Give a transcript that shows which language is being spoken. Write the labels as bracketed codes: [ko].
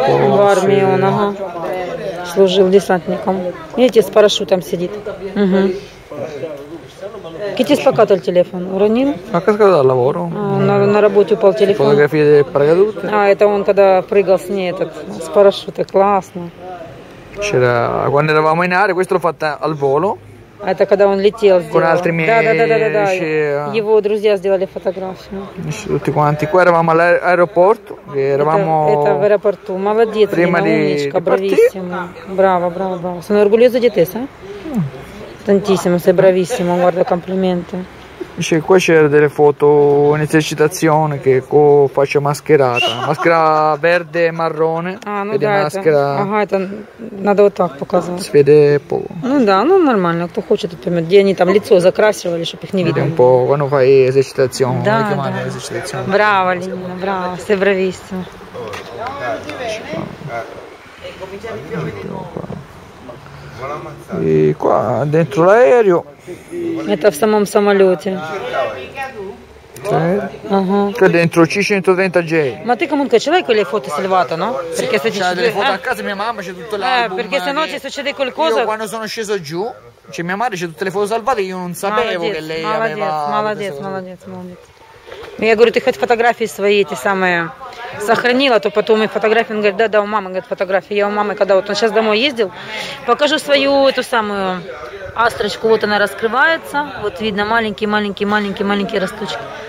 [ru] В армии он, ага. Служил десантником. Видите, с парашютом сидит. Угу. Китис покатал телефон. Уронил. Как сказал, лавору. На работе упал телефон. Фотографии прыгают. А, это он когда прыгал с ней этот, с парашюта. Классно. [it] C'era... Quando eravamo in aria, questo l'ho fatto al volo. [ru] Это когда он летел сделал. [it] Con altri miei... [ru] Да. Его друзья сделали фотографию. [it] Tutti quanti. Qua eravamo all'aeroporto. [ru] Это в аэропорту. Молодец, Лина, умничка, брависсимо. Браво. [it] Sono orgoglioso di te, sa? Tantissimo, sei bravissimo, guarda, complimenti. Dice, qua c'erano delle foto in esercitazione che con faccia mascherata. Maschera verde e marrone. Ah, non dai, maschera... [ru] Ага, это надо вот так показывать. [it] Si vede poco. [ru] Ну да, ну нормально, кто хочет, где они там лицо закрасивали, чтобы их не видели. [it] Vede un po' quando fai esercitazione. [ru] Да, да. Браво, Лина, браво, [it] sei bravissimo. [ru] И [it] qua, dentro l'aereo. [ru] Это в самом самолете. [it] Che dentro C130J. Ma te comunque ce l'hai quelle foto salvate, no? Perché se ci sono delle foto a casa mia mamma c'è tutto l'album. Perché se no ci succede qualcosa. Io quando sono sceso giù, c'è mia madre, c'è tutte le foto salvate, io non sapevo che lei aveva. [ru] Молодец. Ну, я говорю, ты хоть фотографии свои эти самые сохранила, то потом и фотографии. Он говорит, да, да, у мамы, говорит, фотографии. Я у мамы, когда вот он сейчас домой ездил, покажу свою эту самую астрочку. Вот она раскрывается. Вот видно маленький росточек.